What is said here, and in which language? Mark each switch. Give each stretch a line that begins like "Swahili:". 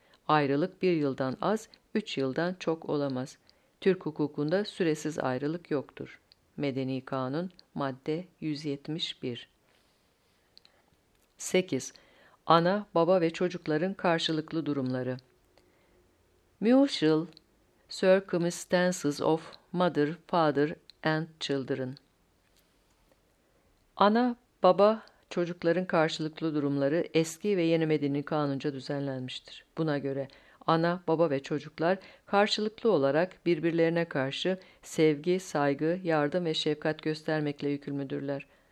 Turkish: Ayrılık bir yıldan az, 3 yıldan çok olamaz. Türk hukukunda süresiz ayrılık yoktur. Medeni Kanun, Madde 171. 8. Ana, baba ve çocukların karşılıklı durumları.
English: Mutual circumstances of mother, father and children.
Turkish: Ana, baba, çocukların karşılıklı durumları eski ve yeni medeni kanunca düzenlenmiştir. Buna göre ana, baba ve çocuklar karşılıklı olarak birbirlerine karşı sevgi, saygı, yardım ve şefkat göstermekle yükümlüdürler.